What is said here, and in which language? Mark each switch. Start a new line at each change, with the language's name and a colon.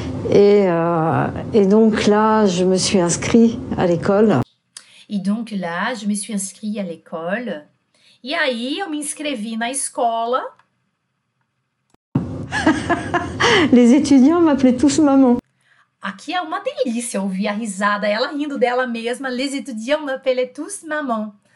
French: Et donc là, je me suis inscrite à l'école. E donc là, je me suis inscrite à l'école.
Portuguese: E aí, eu me inscrevi na escola.
French: Les étudiants m'appelaient tous maman.
Portuguese: Aqui é uma delícia ouvir a risada, ela rindo dela mesma.
French: Les étudiants m'appelaient tous maman.